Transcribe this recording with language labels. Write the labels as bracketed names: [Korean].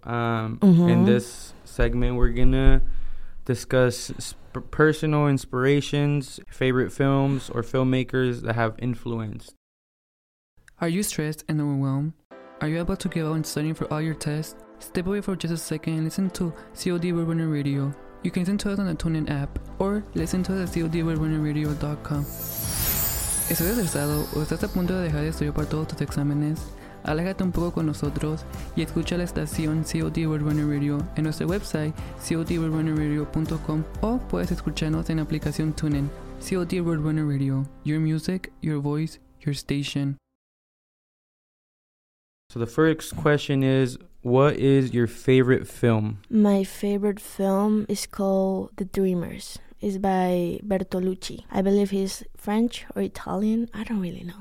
[English] In this segment, we're going to discuss personal inspirations, favorite films, or filmmakers that have influenced. Are you stressed and overwhelmed? Are you about to give up on studying for all your tests? Step away for just a second and listen to COD Urban Radio, You can listen to us on the TuneIn app or listen to us at codrunnerradio.com. [Spanish] ¿Estás estresado o estás a punto de dejar de estudiar para todos tus exámenes? Aléjate un poco con nosotros y escucha la estación COD World Runner Radio en nuestro website codworldrunnerradio.com o puedes escucharnos en la aplicación TuneIn. [English] COD World Runner Radio, your music, your voice, your station. So the first question is, what is your favorite film? My favorite film is called The Dreamers. It's by Bertolucci. I believe he's French or Italian. I don't really know.